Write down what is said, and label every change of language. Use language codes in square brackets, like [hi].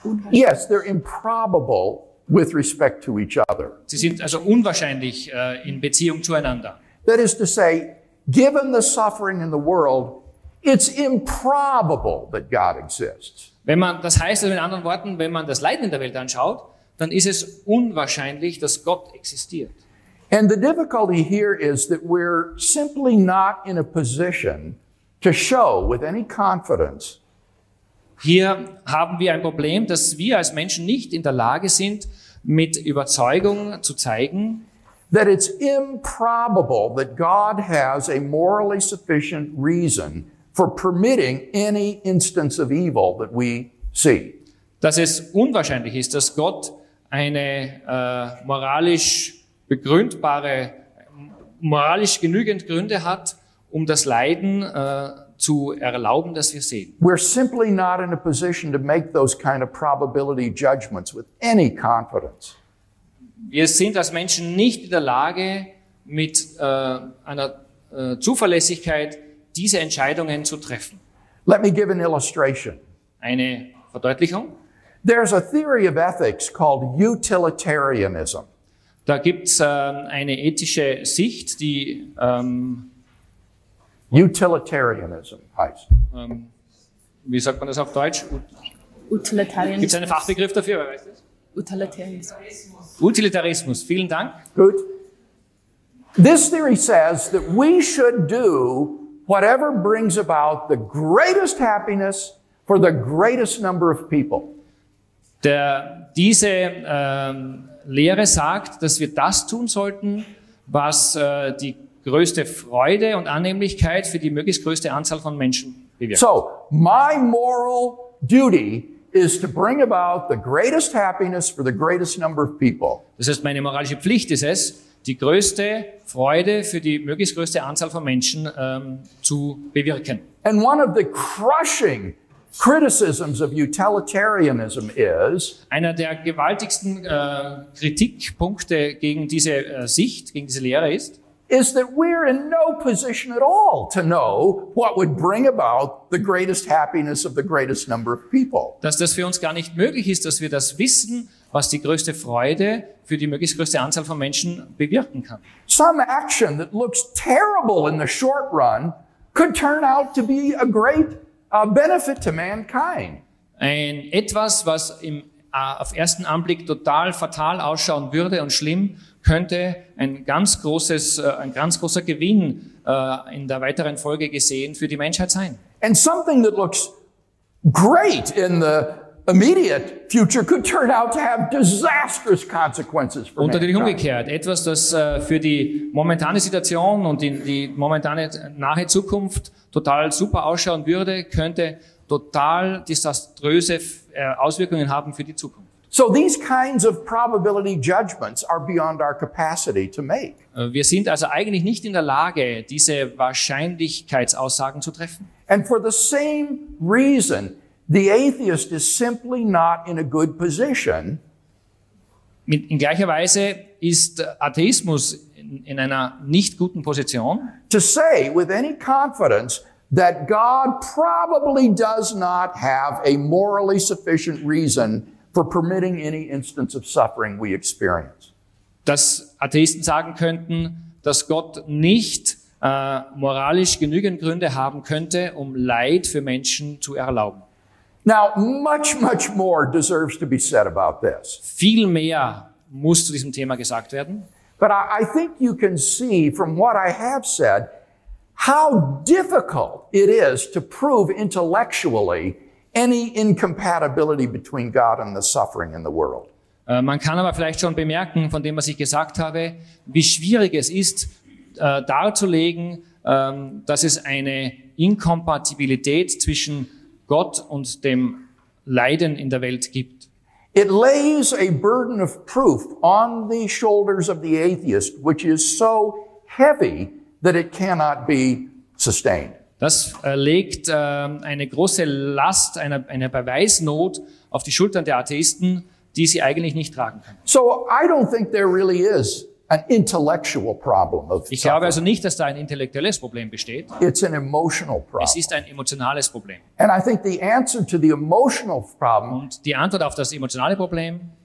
[en] yes, they're improbable with respect to each other. [de] Sie sind also unwahrscheinlich in Beziehung zueinander. [en] That is to say, given the suffering in the world, it's improbable that God exists. [de] Wenn man, das heißt also in anderen Worten, wenn man das Leiden in der Welt anschaut, dann ist es unwahrscheinlich, dass Gott existiert. [en] And the difficulty here is that we're simply not in a position to show with any confidence. [de] Hier haben wir ein Problem, dass wir als Menschen nicht in der Lage sind, mit Überzeugung zu zeigen, [en] that it's improbable that God has a morally sufficient reason for permitting any instance of evil that we see. [de] Dass es unwahrscheinlich ist, dass Gott eine moralisch begründbare, moralisch genügend Gründe hat, um das Leiden zu erlauben, dass wir sehen. [en] We're simply not in a position to make those kind of probability judgments with any confidence. [de] Wir sind als Menschen nicht in der Lage, mit einer Zuverlässigkeit diese Entscheidungen zu treffen. [en] Let me give an illustration. [de] Eine Verdeutlichung. [en] There's a theory of ethics called utilitarianism. [de] Da gibt's eine ethische Sicht, die utilitarianism heißt. Wie sagt man das auf Deutsch? [en] Utilitarianism. [de] Gibt's einen Fachbegriff dafür? Wer weiß das? Utilitarismus. Utilitarismus. Vielen Dank. Gut. [en] This theory says that we should do whatever brings about the greatest happiness for the greatest number of people. [de] Diese Lehre sagt, dass wir das tun sollten, was die größte Freude und Annehmlichkeit für die möglichst größte Anzahl von Menschen bewirkt. [en] So, my moral duty is to bring about the greatest happiness for the greatest number of people. [de] Das heißt, meine moralische Pflicht ist es, die größte Freude für die möglichst größte Anzahl von Menschen zu bewirken. [en] And one of the crushing criticisms of utilitarianism is, [de] einer der gewaltigsten Kritikpunkte gegen diese Sicht, gegen diese Lehre ist, [en] is that we're in no position at all to know what would bring about the greatest happiness of the greatest number of people. [de] Dass das für uns gar nicht möglich ist, dass wir das wissen, was die größte Freude für die möglichst größte Anzahl von Menschen bewirken kann. [en] Some action that looks terrible in the short run could turn out to be a great benefit to mankind. [de] Ein etwas, was im auf ersten Anblick total fatal ausschauen würde und schlimm, könnte ein ganz großer Gewinn in der weiteren Folge gesehen für die Menschheit sein. [en] And something that looks great in the immediate future could turn out to have disastrous consequences for mankind. [de] Und natürlich umgekehrt, etwas, das für die momentane Situation und in die momentane nahe Zukunft total super ausschauen würde, könnte total desaströse Auswirkungen haben für die Zukunft. [en] So these kinds of probability judgments are beyond our capacity to make. [de] Wir sind also eigentlich nicht in der Lage, diese Wahrscheinlichkeitsaussagen zu treffen. [en] And for the same reason, the atheist is simply not in a good position. [de] In gleicher Weise ist Atheismus in einer nicht guten Position. [en] To say with any confidence that God probably does not have a morally sufficient reason for permitting any instance of suffering we experience. [de] Dass Atheisten sagen könnten, dass Gott nicht moralisch genügend Gründe haben könnte, um Leid für Menschen zu erlauben. [en] Now, much, much more deserves to be said about this. [de] Viel mehr muss zu diesem Thema gesagt werden. [en] But I think you can see from what I have said how difficult it is to prove intellectually any incompatibility between God and the suffering in the world. [de] Man kann aber vielleicht schon bemerken von dem, was ich gesagt habe, wie schwierig es ist, darzulegen, dass es eine Inkompatibilität zwischen Gott und dem Leiden in der Welt gibt. [en] It lays a burden of proof on the shoulders of the atheist, which is so heavy that it cannot be sustained. [de] Das legt eine große Last, eine Beweisnot auf die Schultern der Atheisten, die sie eigentlich nicht tragen können. [en] So I don't think there really is an intellectual problem of [de] suffering. Ich glaube also nicht, dass da ein intellektuelles Problem besteht. [en] It's an emotional problem. [de] Es ist ein emotionales Problem. [en] And I think the answer to the emotional problem [de] und die Antwort auf das emotionale Problem